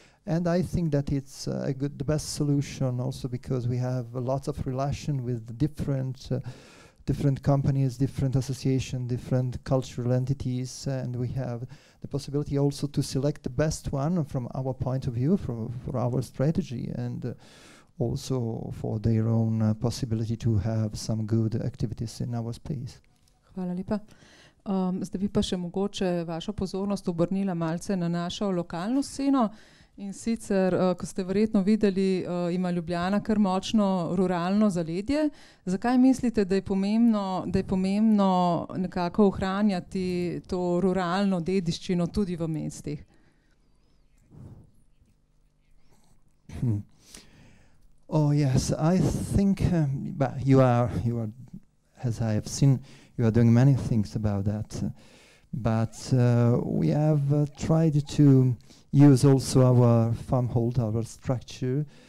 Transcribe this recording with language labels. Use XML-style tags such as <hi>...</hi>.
<en>And I think that it's the best solution also because we have a lot of relation with different companies, different associations, different cultural entities, and we have the possibility also to select the best one from our point of view, for our strategy, and also for their own possibility to have some good activities in our space.</en> <sl>Hvala lepa. Zdaj bi pa še mogoče vašo pozornost obrnila malce na našo lokalno sceno. In sicer, ko ste verjetno videli, ima Ljubljana kar močno ruralno zaledje. Zakaj mislite, da je pomembno nekako ohranjati to ruralno dediščino tudi v mestih?</sl> <en>Oh, yes, I think you are, as I have seen, you are doing many things about that, but we have tried to use also our farm hold, our structure,</en>